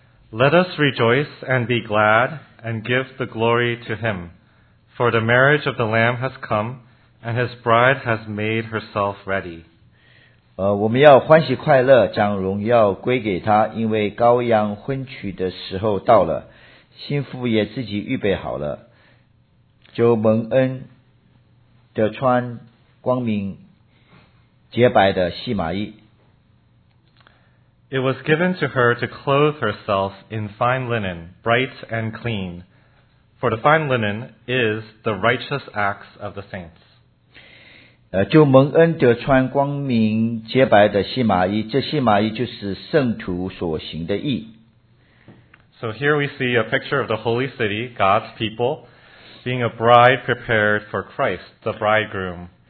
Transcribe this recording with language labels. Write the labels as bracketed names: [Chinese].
[English] Let us rejoice and be glad and give the glory to him, for the marriage of the Lamb has come, and his bride has made herself ready. [Chinese] 我们要欢喜快乐，将荣耀归给他，因为羔羊婚娶的时候到了，新妇也自己预备好了，就蒙恩的穿光明洁白的细麻衣。 [English] It was given to her to clothe herself in fine linen, bright and clean. For the fine linen is the righteous acts of the saints. [Chinese] 就蒙恩得穿光明洁白的细麻衣，这细麻衣就是圣徒所行的义。 [English] So here we see a picture of the holy city, God's people, being a bride prepared for Christ, the bridegroom.